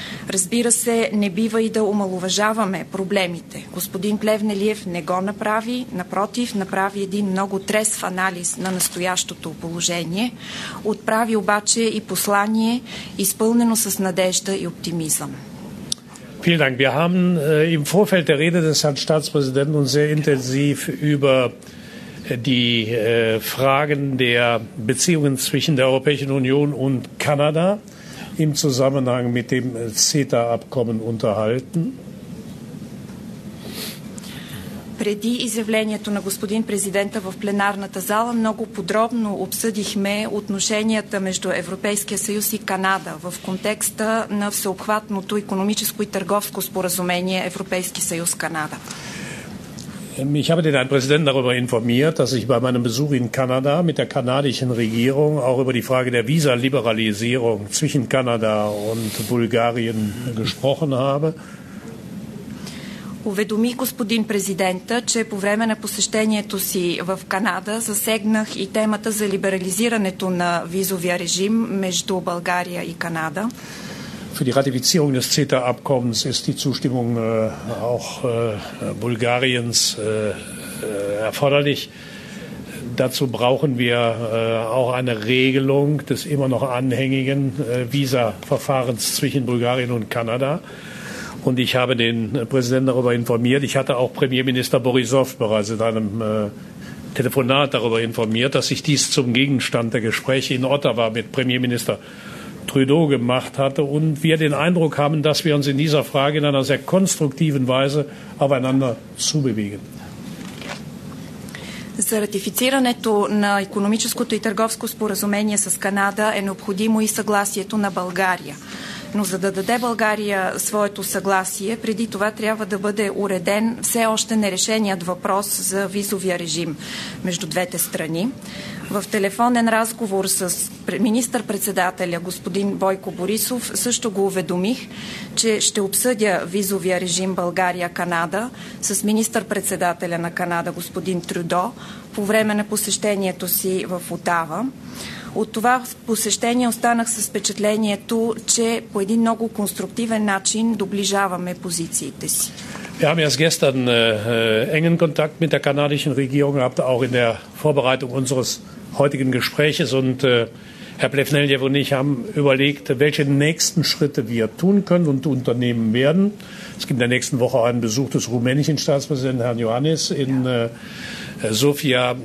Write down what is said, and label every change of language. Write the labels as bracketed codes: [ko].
[bg] Разбира се, не бива и да омаловажаваме проблемите. Господин Плевнелиев не го направи, напротив, направи един много трезв анализ на настоящото положение, отправи обаче и послание, изпълнено с надежда и оптимизъм. [de] Vielen Dank. Wir haben im Vorfeld der Rede des Herrn Staatspräsidenten uns sehr intensiv über die Fragen der Beziehungen zwischen der Europäischen Union und Kanada im Zusammenhang mit dem CETA-Abkommen unterhalten. [bg] Преди изявлението на господин президента в пленарната зала много подробно обсъдихме отношенията между Европейския съюз и Канада в контекста на всеобхватното икономическо и търговско споразумение Европейски съюз Канада. [de] Ich habe den Herrn Präsidenten darüber informiert, dass ich bei meinem Besuch in Kanada mit der kanadischen Regierung auch über die Frage der Visa-Liberalisierung zwischen Kanada und Bulgarien gesprochen habe. [bg] Уведоми господин президента, че по време на посещението си в Канада засегнах и темата за либерализирането на визовия режим между България и Канада. [de] Für die Ratifizierung des CETA-Abkommens ist die Zustimmung auch Bulgariens erforderlich. Dazu brauchen wir auch eine Regelung des immer noch anhängigen Visa-Verfahrens zwischen Bulgarien und Kanada. Und ich habe den Präsidenten darüber informiert. Ich hatte auch Premierminister Borisov bereits in einem Telefonat darüber informiert, dass ich dies zum Gegenstand der Gespräche in Ottawa mit Premierminister Trudeau gemacht hatte. Und wir den Eindruck haben, dass wir uns in dieser Frage in einer sehr konstruktiven Weise aufeinander zubewegen. [bg] За ратифицирането на икономическото и търговско споразумение с Канада е необходимо и съгласието на България. Но за да даде България своето съгласие, преди това трябва да бъде уреден все още нерешеният въпрос за визовия режим между двете страни. В телефонен разговор с министър-председателя господин Бойко Борисов също го уведомих, че ще обсъдя визовия режим България-Канада с министър-председателя на Канада господин Трюдо по време на посещението си в Отава. От това посещение останах с впечатлението, че по един много конструктивен начин доближаваме позициите си. [de] Wir haben erst gestern engen Kontakt mit der kanadischen Regierung gehabt, auch in der Vorbereitung unseres heutigen Gespräches. Und Herr Plevneljev und ich haben überlegt, welche nächsten Schritte wir tun können und unternehmen werden. Es gibt in der nächsten Woche einen Besuch des rumänischen Staatspräsidenten Herrn Johannes in Sofia.